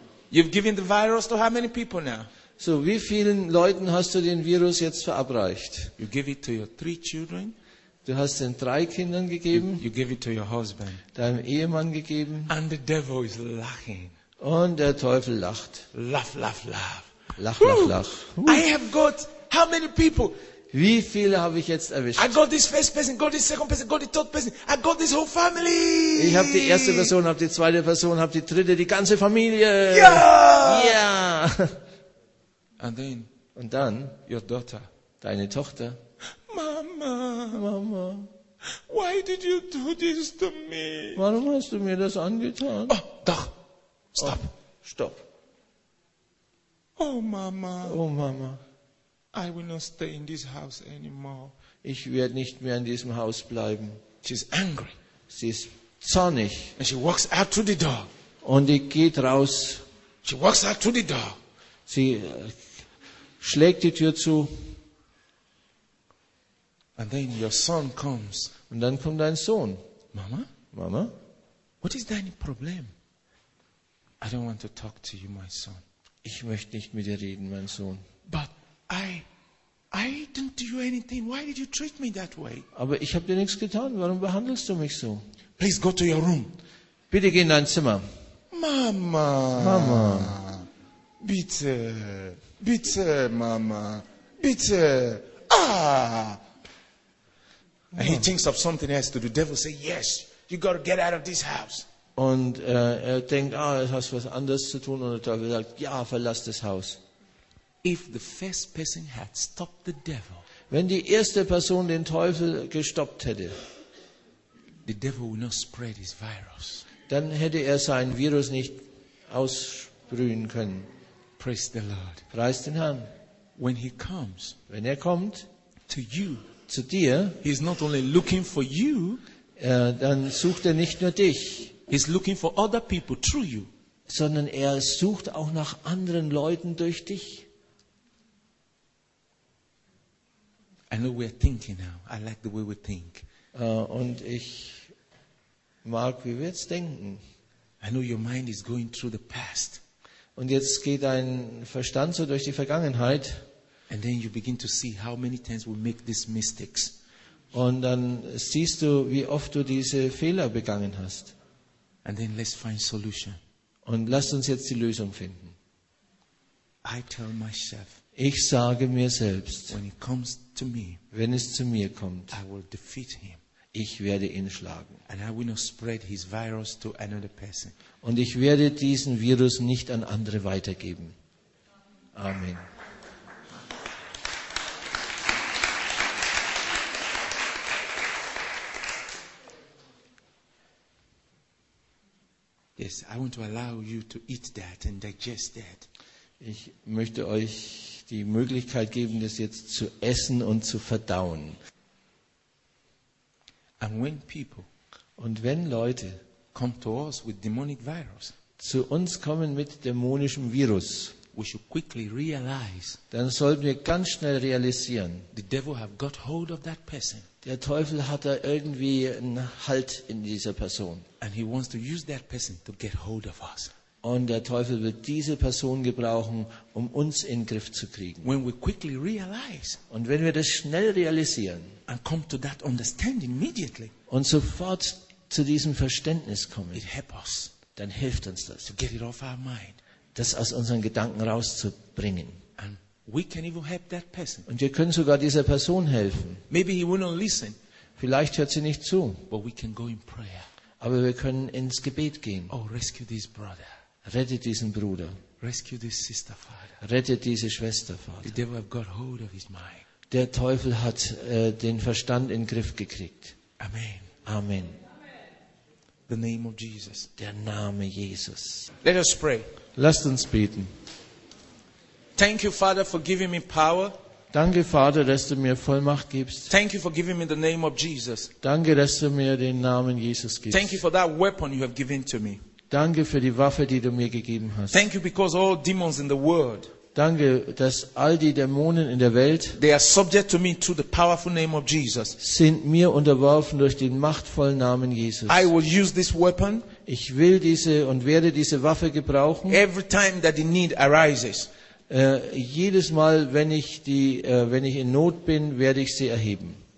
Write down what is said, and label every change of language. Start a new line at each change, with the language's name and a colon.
English: You've given the virus to how many people now?
German: So, wie vielen Leuten hast du den Virus jetzt verabreicht?
English: You give it to your three children.
German: Du hast den drei Kindern gegeben.
English: You give it to your husband.
German: Deinem Ehemann gegeben.
English: And the devil is laughing.
German: Und der Teufel lacht.
English: Laugh, laugh, laugh.
German: Lach, lach, lach.
English: I have got how many people?
German: Wie viele habe ich jetzt erwischt?
English: I got this first person, got this second person, got the third person. I got this whole family.
German: Ich habe die erste Person, habe die zweite Person, habe die dritte, die ganze Familie. Ja.
English: Yeah. And then,
German: und dann
English: your daughter,
German: deine Tochter.
English: Mama,
German: Mama.
English: Why did you do this to me?
German: Warum hast du mir das angetan?
English: Oh, doch. Stop. Oh, stop. Oh Mama. Oh Mama. I will not stay in this house anymore.
German: Ich werde nicht mehr in diesem Haus bleiben.
English: She's angry.
German: Sie ist zornig.
English: And she walks out to the door.
German: Und sie geht raus.
English: She walks out to the door.
German: Sie schlägt die Tür zu.
English: And then your son comes.
German: Und dann kommt dein Sohn.
English: Mama?
German: Mama?
English: What is
German: dein Problem?
English: I don't want to talk to you, my son.
German: Ich möchte nicht mit dir reden, mein Sohn.
English: But I didn't do you anything. Why did you treat me that way?
German: Aber ich habe dir nichts getan. Warum behandelst du mich so?
English: Please go to your room.
German: Bitte geh in dein Zimmer.
English: Mama.
German: Mama. Bitte. Bitte, Mama. Bitte. Ah.
English: And he thinks of something else to do. The devil say, "Yes, you got to get out of this house."
German: Und er denkt, ah, es hat was anderes zu tun, und der Teufel sagt, ja, verlass das Haus.
English: If the first person had stopped the devil,
German: wenn die erste Person den Teufel gestoppt hätte,
English: the devil would not spread his virus.
German: Dann hätte er sein Virus nicht aussprühen können.
English: Praise the Lord.
German: Preist den Herrn.
English: When he comes,
German: wenn er kommt,
English: to you,
German: zu dir,
English: he's not only looking for you,
German: dann sucht er nicht nur dich.
English: He's looking for other people through you.
German: Sondern er sucht auch nach anderen Leuten durch dich.
English: I know we're thinking now. I like the way we think.
German: Und ich mag, wie wir jetzt denken.
English: I know your mind is going through the past.
German: Und jetzt geht dein Verstand so durch die Vergangenheit.
English: And then you begin to see how many times we make these mistakes.
German: Und dann siehst du, wie oft du diese Fehler begangen hast.
English: And then let's find solution.
German: Und lasst uns jetzt die Lösung finden.
English: I tell myself,
German: ich sage mir selbst,
English: when he comes to me,
German: wenn es zu mir kommt,
English: I will defeat him.
German: Ich werde ihn schlagen.
English: And I will not spread his virus to another person.
German: Und ich werde diesen Virus nicht an andere weitergeben.
English: Amen. Yes, I want to allow you to eat that and digest that.
German: Ich möchte euch die Möglichkeit geben, das jetzt zu essen und zu verdauen.
English: And when people,
German: und wenn Leute,
English: come to us with demonic virus,
German: zu uns kommen mit dämonischem Virus,
English: we should quickly realize,
German: dann sollten wir ganz schnell realisieren,
English: the devil have got hold of that person.
German: Der Teufel hat da irgendwie einen Halt in dieser Person.
English: And he wants to use that person to get hold of us.
German: Und der Teufel wird diese Person gebrauchen, um uns in den Griff zu kriegen.
English: When we quickly realize,
German: und wenn wir das schnell realisieren
English: and come to that understanding immediately,
German: und sofort zu diesem Verständnis kommen,
English: it help us,
German: dann hilft uns das,
English: to get it off our mind,
German: das aus unseren Gedanken rauszubringen.
English: We can even help that person.
German: Und wir können sogar dieser Person helfen.
English: Maybe he will not listen.
German: Vielleicht hört sie nicht zu.
English: But we can go in prayer.
German: Aber wir können ins Gebet gehen.
English: Oh, rescue this brother.
German: Rette diesen Bruder.
English: Rescue this sister, Father.
German: Rette diese Schwester, Vater.
English: The devil have got hold of his mind.
German: Der Teufel hat den Verstand in den Griff gekriegt.
English: Amen.
German: Amen.
English: The name of Jesus.
German: Der Name Jesus.
English: Let us pray.
German: Lasst uns beten.
English: Thank you, Father, for giving me power.
German: Danke, Vater, dass du mir Vollmacht gibst.
English: Thank you for giving me the name of Jesus.
German: Danke, dass du mir den Namen Jesus gibst.
English: Thank you for that weapon you have given to me.
German: Danke für die Waffe, die du mir gegeben hast.
English: Thank you because all demons in the world,
German: danke, dass all die Dämonen in der Welt,
English: they are subject to me through the powerful name of Jesus,
German: sind mir unterworfen durch den machtvollen Namen Jesus.
English: I will use this weapon.
German: Ich will diese und werde diese Waffe gebrauchen.
English: Every time that the need arises.
German: Jedes Mal, wenn ich in Not bin, werde ich sie erheben.